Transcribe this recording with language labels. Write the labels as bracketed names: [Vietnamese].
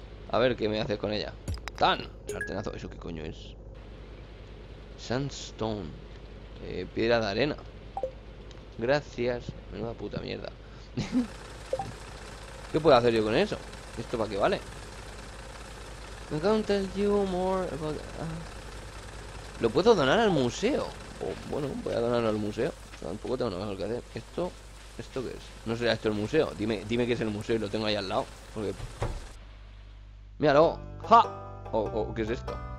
[Spanish] A ver qué me haces con ella. ¡Tan! Sartenazo. ¿Eso qué coño es? Sandstone. Piedra de arena. Gracias. Menuda puta mierda. ¿Qué puedo hacer yo con eso? ¿Esto para qué vale? [English] I can't tell you more about... [Spanish] ¿Lo puedo donar al museo? Oh, bueno, voy a donarlo al museo. Tampoco tengo nada mejor que hacer. ¿Esto? ¿Esto qué es? ¿No será esto el museo? Dime que es el museo y lo tengo ahí al lado. Porque... ¡Míralo! ¡Ja! ¿Qué es esto?